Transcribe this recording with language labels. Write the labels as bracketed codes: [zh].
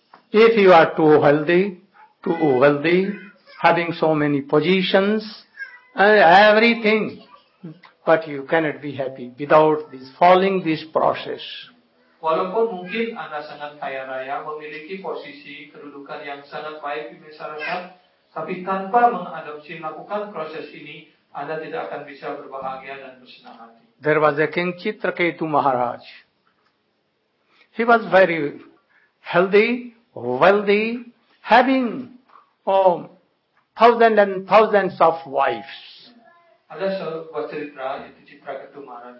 [en] If you are too wealthy, having so many positions, everything, but you cannot be happy without this, following this process. [id] Walaupun mungkin Anda sangat kaya raya, memiliki posisi kedudukan yang sangat baik di masyarakat, tapi tanpa mengadopsi melakukan proses ini, Anda tidak akan bisa berbahagia dan bersenang hati. [en] There was a king Chitraketu Maharaj. He was very healthy, wealthy, having thousands and thousands of wives. [id] Ada sebuah cerita, yaitu Chitraketu Maharaj.